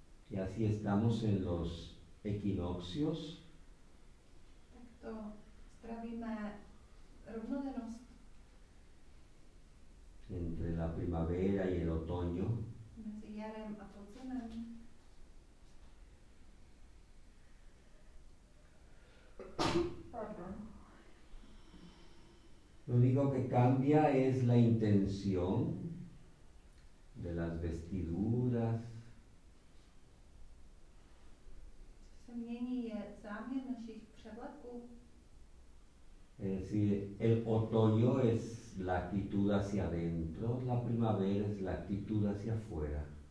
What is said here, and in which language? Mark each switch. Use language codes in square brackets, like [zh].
[es] Y así estamos en los equinoccios. [cs] Takto strávíme rovnodennost. [es] Entre la primavera y el otoño. [cs] Mezi jarem a podzimem. [es] Lo único que cambia es la intención de las vestiduras. [cs] Mění je záměr našich převleků. [es] Es decir, el otoño es la actitud hacia adentro, la primavera es la actitud hacia afuera.